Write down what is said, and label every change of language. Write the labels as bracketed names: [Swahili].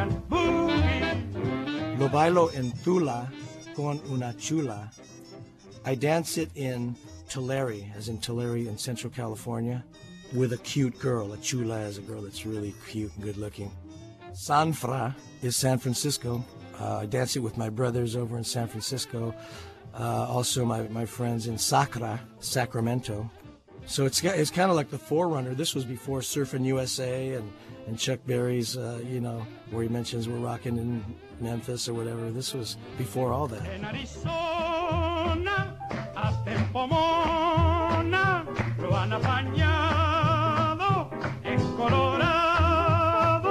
[Spanish] Lo bailo en Tula con una chula. [English] I dance it in Tulare, as in Tulare in Central California, with a cute girl. A chula is a girl that's really cute and good looking. San Fra is San Francisco. I dance it with my brothers over in San Francisco. Also my friends in Sacra, Sacramento. So it's kind of like the forerunner. This was before Surfin' USA and Chuck Berry's, where he mentions we're rocking in Memphis or whatever. This was before all that. [Spanish] En Arizona, a tempo mona, lo han apañado en Colorado.